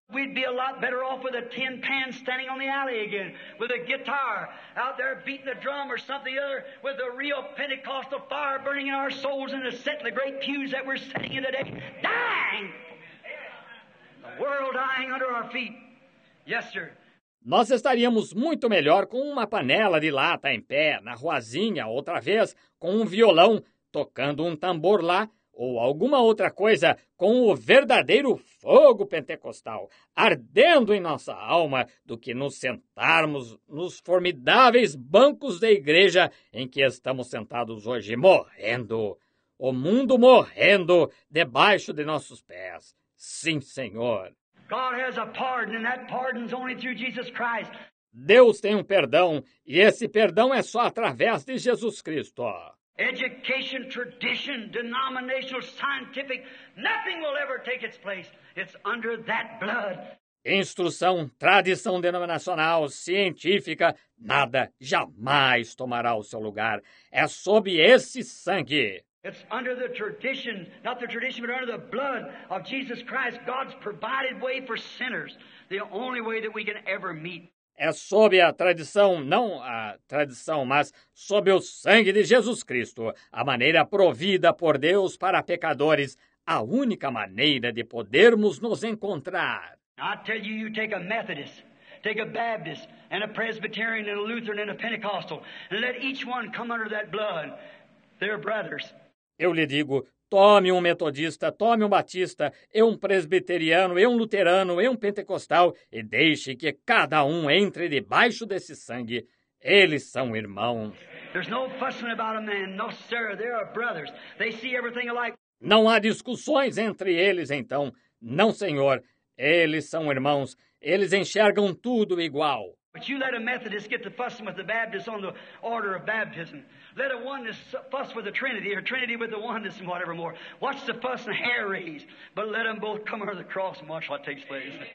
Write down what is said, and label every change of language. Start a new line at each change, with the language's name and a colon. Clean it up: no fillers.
English: We'd be a lot better off with a tin pan standing on the alley again, with a guitar out there beating the drum or something other, with a real Pentecostal fire burning in our souls and the set in the great pews that we're sitting in today, dying! The world dying under our feet. Yes, sir.
Portuguese: Nós estaríamos muito melhor com uma panela de lata em pé, na ruazinha, outra vez, com um violão, tocando um tambor lá, ou alguma outra coisa, com o verdadeiro fogo pentecostal ardendo em nossa alma, do que nos sentarmos nos formidáveis bancos da igreja em que estamos sentados hoje, morrendo. O mundo morrendo debaixo de nossos pés. Sim, Senhor.
English: God has a pardon, and that pardon's only through Jesus Christ.
Portuguese: Deus tem um perdão, e esse perdão é só através de Jesus Cristo.
English: Education, tradition, denominational, scientific, nothing will ever take its place. It's under that blood.
Portuguese: Instrução, tradição denominacional, científica, nada jamais tomará o seu lugar. É sob esse sangue.
English: It's under the tradition, not the tradition, but under the blood of Jesus Christ, God's provided way for sinners, the only way that we can ever meet.
Portuguese: É sob a tradição, não a tradição, mas sob o sangue de Jesus Cristo, a maneira provida por Deus para pecadores, a única maneira de podermos nos encontrar.
English: I tell you, you take a Methodist, take a Baptist, and a Presbyterian, and a Lutheran, and a Pentecostal, and let each one come under that blood. They're brothers.
Portuguese: Eu lhe digo, tome um metodista, tome um batista, e um presbiteriano, e um luterano, e um pentecostal, e deixe que cada um entre debaixo desse sangue. Eles são irmãos.
English: There's no fussing about a man. No, sir, they are brothers. They see everything alike.
Portuguese: Não há discussões entre eles, então. Não, senhor. Eles são irmãos. Eles enxergam tudo igual.
English: But you let a Methodist get to fussing with the Baptist on the order of baptism. Let a oneness fuss with the Trinity, or Trinity with the oneness and whatever more. Watch the fuss and hair raise. But let them both come under the cross and watch what takes place.